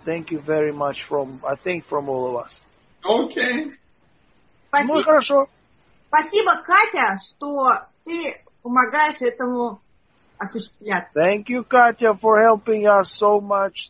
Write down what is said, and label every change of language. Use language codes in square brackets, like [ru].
[en] Thank you very much from all of us. Okay. [ru] Спасибо. Ну, хорошо. Спасибо, Катя, что ты помогаешь этому осуществляться. [en] Thank you, Katya, for helping us so much.